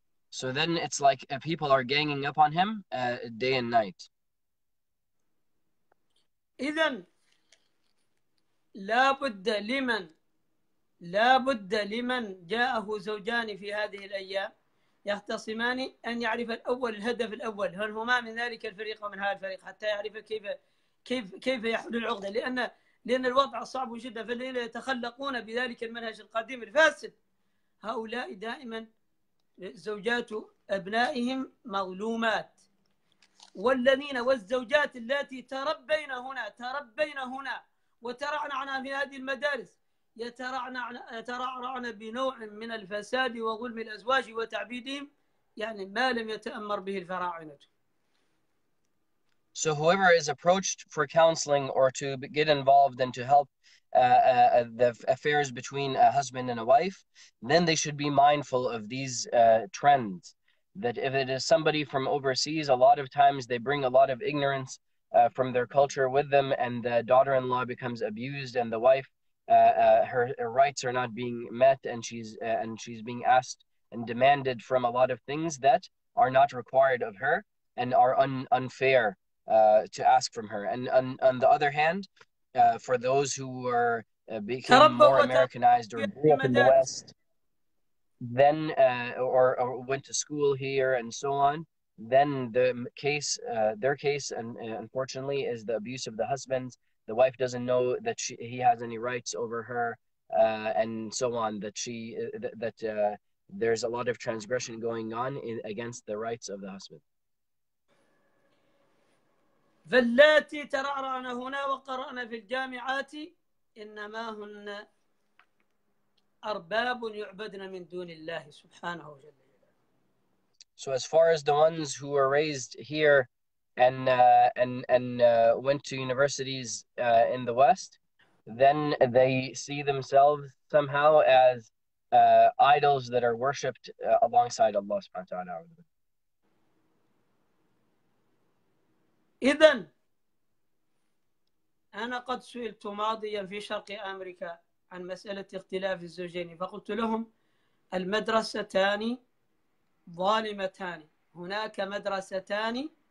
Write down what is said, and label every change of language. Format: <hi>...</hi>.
<en>So then it's like people are ganging up on him day and night.</en> <ar>إذن لابد لمن لابد لمن جاءه زوجان في هذه الأيام يختصمان أن يعرف الأول الهدف الأول هل هما من ذلك الفريق ومن هذا الفريق حتى يعرف كيف يحل العقدة لأن الوضع صعب جدا فالذين يتخلقون بذلك المنهج القديم الفاسد هؤلاء دائما زوجات أبنائهم مظلومات والذين والزوجات التي تربينا هنا وترعنعنا في هذه المدارس يترعرعن بنوع من الفساد وظلم الأزواج وتعبيدهم يعني ما لم يتأمر به الفراعنة.</ar> <en>So whoever is approached for counseling or to get involved and to help the affairs between a husband and a wife, then they should be mindful of these trends. That if it is somebody from overseas, a lot of times they bring a lot of ignorance from their culture with them and the daughter-in-law becomes abused and the wife her rights are not being met and she's being asked and demanded from a lot of things that are not required of her and are unfair to ask from her. And on the other hand, for those who were became more Americanized or grew up in the West, then or went to school here and so on, then their case, unfortunately, is the abuse of the husbands. The wife doesn't know that he has any rights over her, and so on. That there's a lot of transgression going on against the rights of the husband.</en> <ar>فاللاتي ترعرعن هنا وقرأن في الجامعات إنما هن أرباب يعبدن من دون الله سبحانه وجل.</ar> <en>So as far as the ones who were raised here. And went to universities in the West, then they see themselves somehow as idols that are worshipped alongside Allah subhanahu wa ta'ala.</en> <ar>إذن أنا قد سئلت ماضيا في شرق أمريكا عن مسألة اختلاف الزوجين فقلت لهم المدرستان ظالمتان هناك مدرستان</ar>